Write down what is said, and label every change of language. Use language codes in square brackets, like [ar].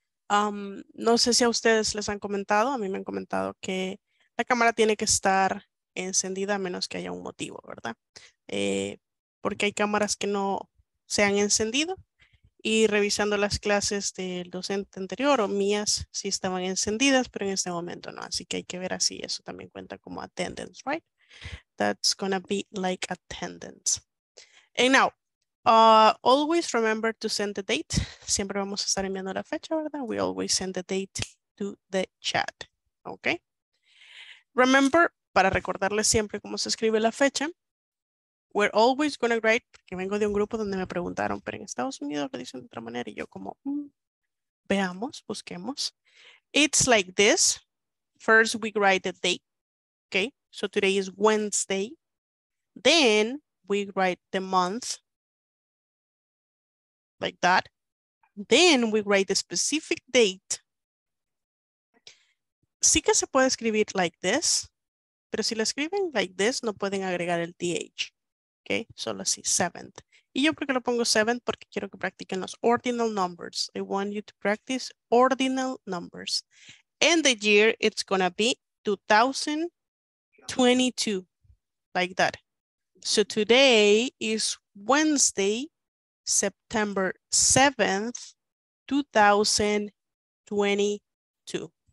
[es] No sé si a ustedes les han comentado, a mí me han comentado que la cámara tiene que estar encendida a menos que haya un motivo, ¿verdad? Porque hay cámaras que no se han encendido y revisando las clases del docente anterior o mías sí estaban encendidas, pero en este momento no. Así que hay que ver así, eso también cuenta como [en] attendance, right? That's gonna be like attendance. And now, always remember to send the date. [es] Siempre vamos a estar enviando la fecha, ¿verdad? [en] We always send the date to the chat, okay? Remember, [es] para recordarles siempre cómo se escribe la fecha, [en] we're always gonna write, [es] porque vengo de un grupo donde me preguntaron, pero en Estados Unidos lo dicen de otra manera, y yo como, veamos, busquemos. [en] It's like this. First, we write the date, okay? So today is Wednesday. Then, we write the month, like that. Then we write the specific date. [es] Sí que se puede escribir [en] like this, [es] pero si lo escriben like this, no pueden agregar el TH. Okay, solo así, 7th. Y yo porque lo pongo 7th, porque quiero que practiquen los [en] ordinal numbers. I want you to practice ordinal numbers. And the year, it's gonna be 2022, like that. So today is Wednesday, September 7th, 2022.